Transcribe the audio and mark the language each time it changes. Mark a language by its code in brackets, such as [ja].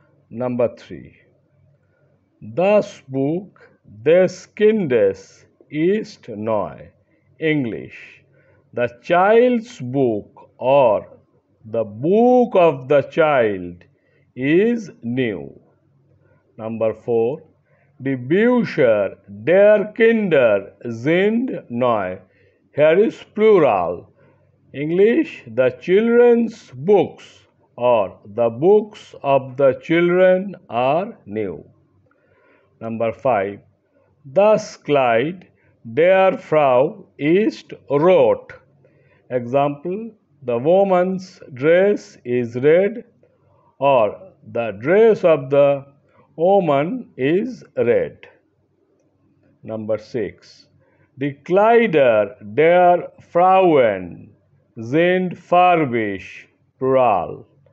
[en] Number three, [de] das Buch des Kindes ist neu, English. [en] The child's book or the book of the child is new. Number four, [de] die Bücher der Kinder sind neu. [en] Here is plural. English, the children's books or the books of the children are new. Number five, [de] das Kleid der Frau ist rot. [en] Example, the woman's dress is red or the dress of the woman is red. Number 6. [de] Die Kleider der Frauen sind farbig. Plural.